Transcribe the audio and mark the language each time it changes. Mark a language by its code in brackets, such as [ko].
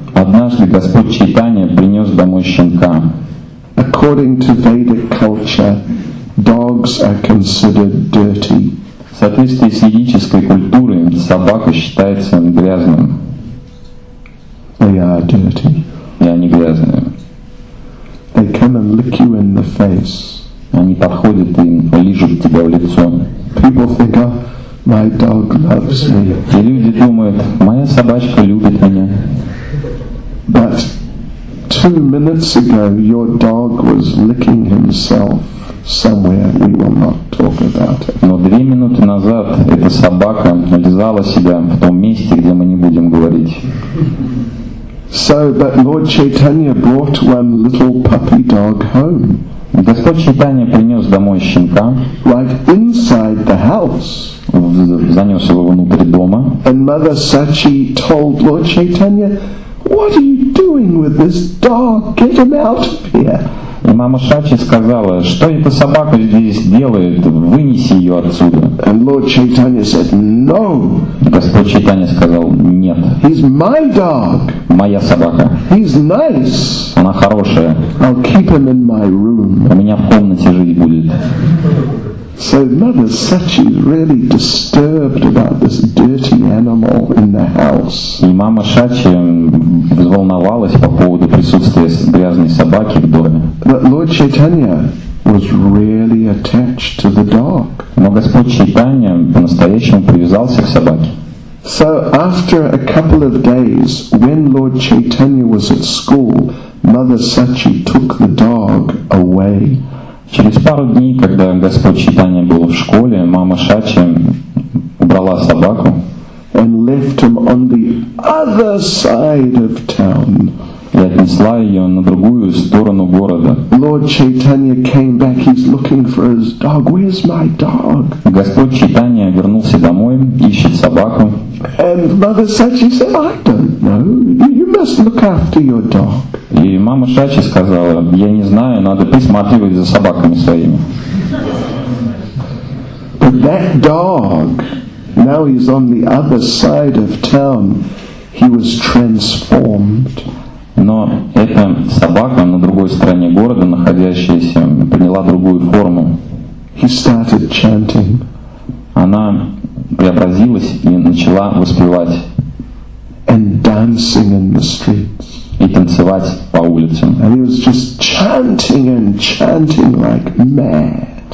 [ru] Однажды Господь Чайтанья принес домой щенка. [en] According to Vedic culture, dogs are considered dirty. [ru] В соответствии с ведической культурой собака считается грязным. [en] They are dirty. [ru] И они грязные. [en] They come and lick you in the face. [ru] Они подходят и лижут тебя в лицо. [en] People think, oh, my dog loves me. [ru] И люди думают, моя собачка любит меня. [en] But 2 minutes ago your dog was licking himself somewhere. We will not talk about it. [ru] Но 2 минуты назад эта собака лизала себя в том месте, где мы не будем говорить. [en] So, but Lord Chaitanya brought one little puppy dog home. [ru] Господь Чайтанья принес домой щенка. [en] Right inside the house. [ru] Занес его внутрь дома. [en] And Mother Sachi told Lord Chaitanya, What are you doing with this dog? Get him out of here. [ru] И мама Шачи сказала, что эта собака здесь делает, вынеси ее отсюда. [en] And Lord Chaitanya said, no. [ru] Господь Чайтанья сказал, нет. [en] He's my dog. [ru] Моя собака. [en] He's nice. [ru] Она хорошая. [en] I'll keep him in my room. [ru] У меня в комнате жить будет. [en] So Mother Sachi is really disturbed about this dirty animal in the house. [ru] И мама Шачи взволновалась по поводу присутствия грязной собаки в доме. [en] But Lord Chaitanya was really attached to the dog. [ru] Но Господь Чайтанья по-настоящему привязался к собаке. [en] So after a couple of days, when Lord Chaitanya was at school, Mother Sachi took the dog away. [ru] Через пару дней, когда Господь Чайтанья был в школе, мама Шачи убрала собаку [en] and left him on the other side of town. [ru] И отнесла ее на другую сторону города. [en] Lord Chaitanya came back. He's looking for his dog. Where's my dog? [ru] Господь Чайтанья вернулся домой, ищет собаку. [en] And Mother Sachi said, I don't know. You must look after your dog. [ru] И мама Шачи сказала, я не знаю, надо присматривать за собаками своими. [en] But that dog, now he's on the other side of town, he was transformed. [ru] Но эта собака на другой стороне города, находящаяся, приняла другую форму. [en] He started chanting. [ru] Она преобразилась и начала воспевать. [en] And dancing in the streets. [ru] И танцевать по улицам. [en] And he was just chanting and chanting like mad.